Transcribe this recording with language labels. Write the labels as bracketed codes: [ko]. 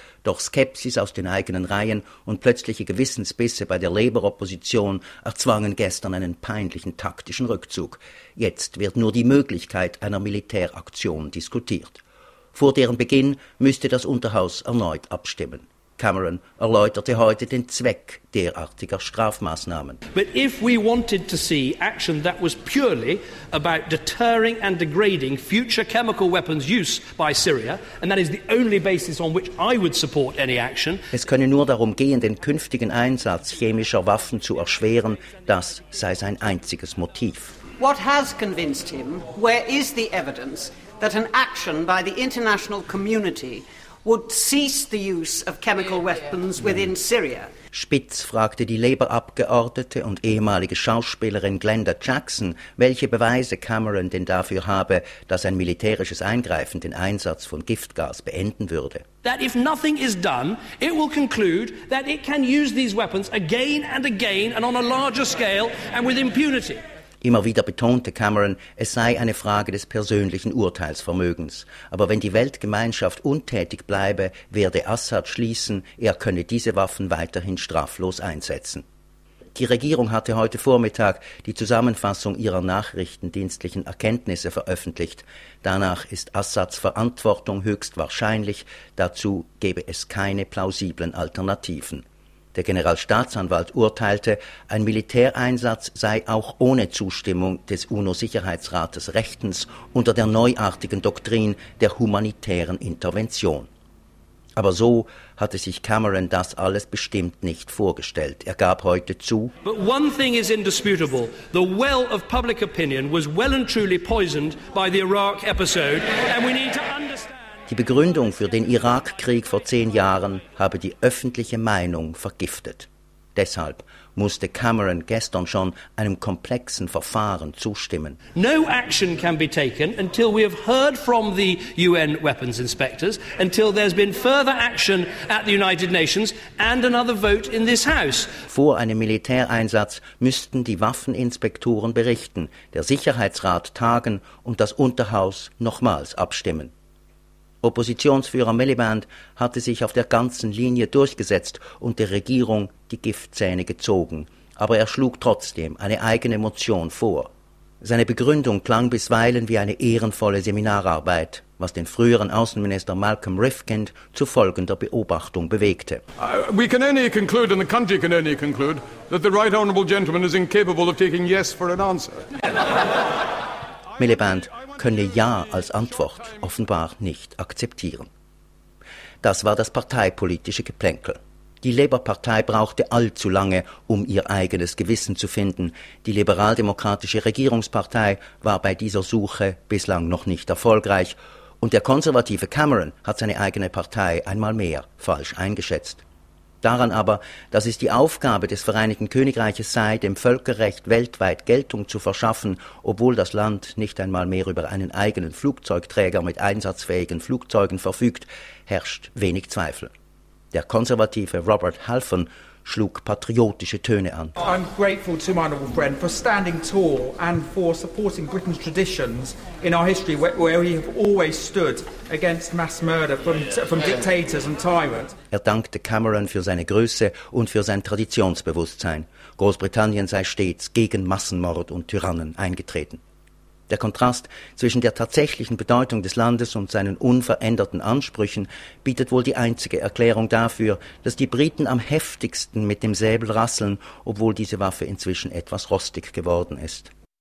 [de] Doch Skepsis aus den eigenen Reihen und plötzliche Gewissensbisse bei der Labour-Opposition erzwangen gestern einen peinlichen taktischen Rückzug. Jetzt wird nur die Möglichkeit einer Militäraktion diskutiert. Vor deren Beginn müsste das Unterhaus erneut abstimmen. Cameron erläuterte heute den Zweck derartiger Strafmaßnahmen. [en] But if we wanted to see action that was purely about deterring and degrading future chemical weapons use by Syria, and that is the only basis on which I would support any action. [de] Es könne nur darum gehen, den künftigen Einsatz chemischer Waffen zu erschweren, das sei sein einziges Motiv. [en] What has convinced him? Where is the evidence that an action by the international community would cease the use of chemical weapons within Syria? [de] Spitz fragte die Labour-Abgeordnete und ehemalige Schauspielerin Glenda Jackson, welche Beweise Cameron denn dafür habe, dass ein militärisches Eingreifen den Einsatz von Giftgas beenden würde. [en] That if nothing is done, it will conclude that it can use these weapons again and again and on a larger scale and with impunity. [de] Immer wieder betonte Cameron, es sei eine Frage des persönlichen Urteilsvermögens. Aber wenn die Weltgemeinschaft untätig bleibe, werde Assad schließen, er könne diese Waffen weiterhin straflos einsetzen. Die Regierung hatte heute Vormittag die Zusammenfassung ihrer nachrichtendienstlichen Erkenntnisse veröffentlicht. Danach ist Assads Verantwortung höchstwahrscheinlich, dazu gebe es keine plausiblen Alternativen. Der Generalstaatsanwalt urteilte, ein Militäreinsatz sei auch ohne Zustimmung des UNO-Sicherheitsrates rechtens unter der neuartigen Doktrin der humanitären Intervention. Aber so hatte sich Cameron das alles bestimmt nicht vorgestellt. Er gab heute zu: [en] But one thing is indisputable. The well of public opinion was well and truly poisoned by the Iraq episode and we need to [de] Die Begründung für den Irakkrieg vor 10 Jahren habe die öffentliche Meinung vergiftet. Deshalb musste Cameron gestern schon einem komplexen Verfahren zustimmen. [en] No action can be taken until we have heard from the UN weapons inspectors, until there's been further action at the United Nations and another vote in this house. [de] Vor einem Militäreinsatz müssten die Waffeninspektoren berichten, der Sicherheitsrat tagen und das Unterhaus nochmals abstimmen. Oppositionsführer Miliband hatte sich auf der ganzen Linie durchgesetzt und der Regierung die Giftzähne gezogen. Aber er schlug trotzdem eine eigene Motion vor. Seine Begründung klang bisweilen wie eine ehrenvolle Seminararbeit, was den früheren Außenminister Malcolm Rifkind zu folgender Beobachtung bewegte. [en] We can only conclude, and the country can only conclude, that the right honourable gentleman is incapable of taking yes for an answer. [de] Miliband könne Ja als Antwort offenbar nicht akzeptieren. Das war das parteipolitische Geplänkel. Die Labour-Partei brauchte allzu lange, um ihr eigenes Gewissen zu finden. Die liberaldemokratische Regierungspartei war bei dieser Suche bislang noch nicht erfolgreich. Und der konservative Cameron hat seine eigene Partei einmal mehr falsch eingeschätzt. Daran aber, dass es die Aufgabe des Vereinigten Königreiches sei, dem Völkerrecht weltweit Geltung zu verschaffen, obwohl das Land nicht einmal mehr über einen eigenen Flugzeugträger mit einsatzfähigen Flugzeugen verfügt, herrscht wenig Zweifel. Der konservative Robert Halfen schlug patriotische Töne an. [en] I'm grateful to my honourable friend for standing tall and for supporting Britain's traditions in our history, where we have always stood against mass murder from dictators and tyrants. [de] Er dankte Cameron für seine Größe und für sein Traditionsbewusstsein. Großbritannien sei stets gegen Massenmord und Tyrannen eingetreten. Der Kontrast zwischen der tatsächlichen Bedeutung des Landes und seinen unveränderten Ansprüchen bietet wohl die einzige Erklärung dafür, dass die Briten am heftigsten mit dem Säbel rasseln, obwohl diese Waffe inzwischen etwas rostig geworden ist.